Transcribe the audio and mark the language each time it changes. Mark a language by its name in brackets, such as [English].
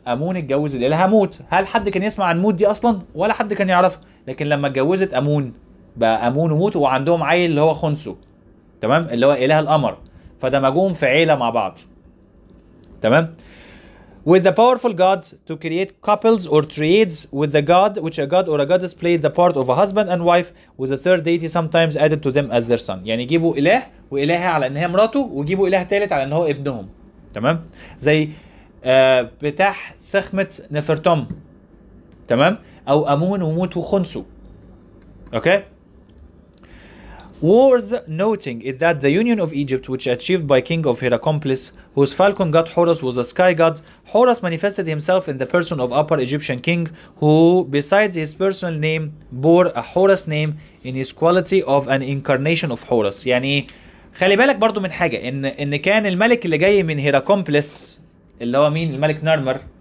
[Arabic] امون اتجوز الالهه موت. هل حد كان يسمع عن موت دي اصلا؟ ولا حد كان يعرفها، لكن لما اتجوزت امون بقى امون وموت وعندهم عيل اللي هو خنسو. تمام. اللي هو اله القمر. فدمجوهم في عيله مع بعض. تمام. [English] With a powerful god to create couples or triads with the god, which a god or a goddess played the part of a husband and wife with a third deity sometimes added to them as their son. [Arabic] يعني يجيبوا إله وإلهة على أنها مراته ويجيبوا إله ثالث على أنه ابنهم. تمام؟ زي بتاح سخمة نفرتوم. تمام؟ أو أمون وموت وخنسو. [English] Okay? Worth noting is that the union of Egypt, which achieved by king of Heracomplis, whose falcon god Horus was a sky god, Horus manifested himself in the person of upper Egyptian king, who, besides his personal name, bore a Horus name in his quality of an incarnation of Horus. [Arabic] يعني خلي بالك برضو من حاجة، إن كان الملك اللي جاي من هيراكومبلس اللي هو مين؟ الملك نارمر.